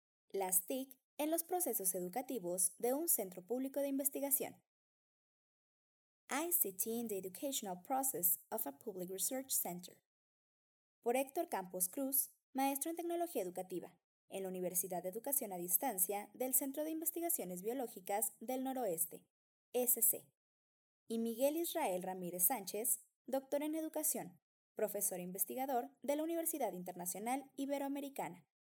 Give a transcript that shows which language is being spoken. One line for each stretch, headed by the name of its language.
Spanish: Las TIC en los procesos educativos de un centro público de investigación.
English: ICT in the Educational Process of a Public Research Center.
Spanish: Por Héctor Campos Cruz, maestro en Tecnología Educativa, en la Universidad de Educación a Distancia del Centro de Investigaciones Biológicas del Noroeste, SC. Y Miguel Israel Ramírez Sánchez, doctor en Educación, profesor e investigador de la Universidad Internacional Iberoamericana.